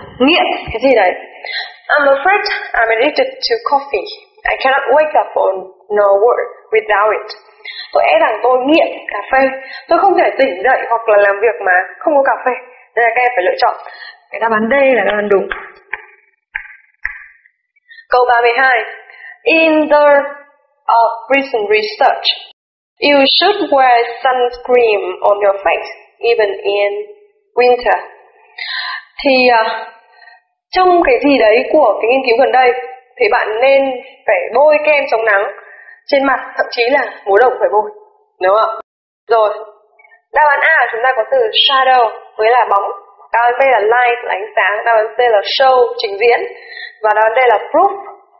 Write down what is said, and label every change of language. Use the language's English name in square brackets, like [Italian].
[Vietnamese] nghiện cái gì đấy. [English] I'm afraid I'm addicted to coffee. I cannot wake up or no work without it. [Vietnamese] Tôi e rằng tôi nghiện cà phê. Tôi không thể tỉnh dậy hoặc là làm việc mà không có cà phê. Nên là các em phải lựa chọn. Cái đáp án D là đáp án đúng. Câu 32. [English] In the recent research, you should wear sunscreen on your face even in winter. [Vietnamese] Thì trong cái gì đấy của cái nghiên cứu gần đây thì bạn nên phải bôi kem chống nắng trên mặt, thậm chí là mùa đông phải bôi, đúng không? Rồi, đáp án A là chúng ta có từ shadow với là bóng, đáp án B là light là ánh sáng, đáp án C là show trình diễn, và đáp án D là proof.